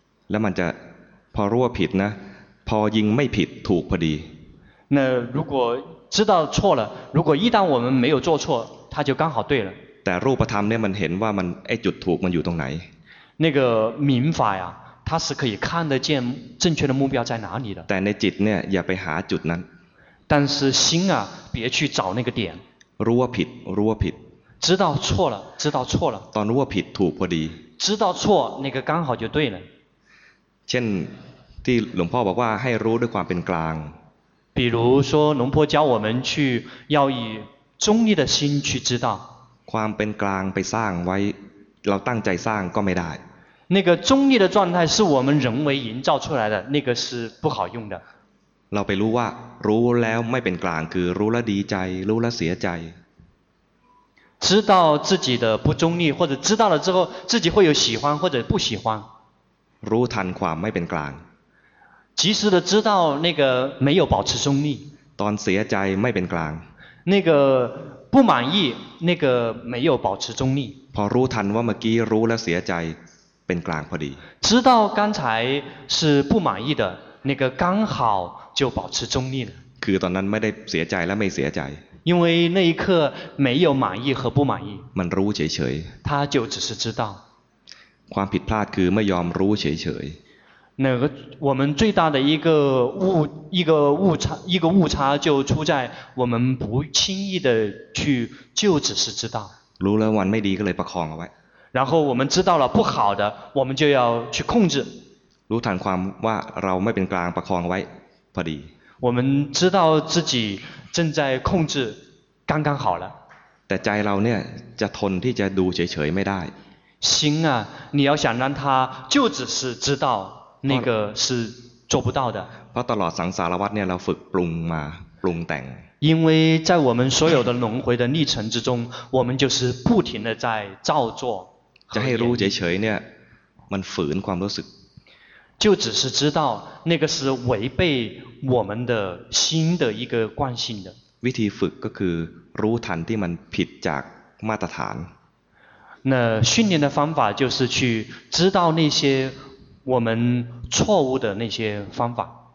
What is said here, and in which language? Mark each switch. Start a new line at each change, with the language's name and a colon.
Thai: แล้วมันจะพอรู้ว่าผิดนะพอยิงไม่ผิดถูกพอดี
Chinese: 那如果知道错了如果一旦我们没有做错它就刚好对了
Thai: แต่รูปธรรมเนี่ยมันเห็นว่ามันไอ้จุดถูกมันอยู่ตรงไหน
Chinese: 那个明法呀它是可以看得见正确的目标在哪里的
Thai: แต่ในจิตเนี่ยอย่าไปหาจุดนั้น
Chinese: 但是心啊别去找那个点
Thai: รู้ว่าผิดรู้ว่าผิด
Chinese: 知道错了知道错了
Thai: ตอนรู้ว่าผิดถูกพอดี
Chinese: 知道错那个刚好就对了
Thai: เช่นที่หลวงพ่อบอกว่าให้รู้ด้วยความเป็นกลาง
Chinese: 比如说龙婆教我们去要以中立的心去知道
Thai: ความเป็นกลางไปสร้างไว้เราตั้งใจสร้างก็ไม่ได้
Chinese: 那个中立的状态是我们人为营造出来的那个是不好用的
Thai: เราไปรู้ว่ารู้แล้วไม่เป็นกลางคือรู้แล้วดีใจรู้แล้วเสียใจ
Chinese: 知道自己的不中立或者知道了之后自己会有喜欢或者不喜欢
Thai: รู้ทันความไม่เป็นกลาง
Chinese: 及时的知道那个没有保持中立
Thai: ตอนเสียใจไม่เป็นกลาง
Chinese: 那个不满意那个没有保持中立
Thai: พอรู้ทันว่าเมื่อกี้รู้แล้วเสียใจเป็นกลางพอดี
Chinese: 知道刚才是不满意的那个刚好就保持中立了
Thai: คือตอนนั้นไม่ได้เสียใจและไม่เสียใจ
Chinese: 因为那一刻没有满意和不满意
Thai: มันรู้เฉย
Chinese: ๆ他就只是知道
Thai: ความผิดพลาดคือไม่ยอมรู้เฉย
Chinese: ๆ那个我们最大的一个误差就出在我们不轻易的去就只是知道
Thai: รู้แล้ววันไม่ดีก็เลยประคองเอาไว้
Chinese: 然后我们知道了不好的我们就要去控制
Thai: รู้ทันความว่าเราไม่เป็นกลางประคองไว้พอดี
Chinese: 我们知道自己正在控制刚刚好了
Thai: แต่ใจเราเนี่ยจะทนที่จะดูเฉยๆไม่ได้
Chinese: 心啊你要想让他就只是知道那个是做不到的
Thai: เพราะตลอดสังสารวัฏเนี่ยเราฝึกปรุงมาปรุงแต่ง
Chinese: 因为在我们所有的轮回的历程之中我们就是不停的在造作
Thai: จะให้รู้เฉยๆเนี่ยมันฝืนความรู้สึก
Chinese: 就只是知道那个是违背我们的心的一个惯性的
Thai: วิธีฝึกก็คือรู้ทันที่มันผิดจากมาตรฐาน
Chinese: 那训练的方法就是去知道那些我们错误的那些方法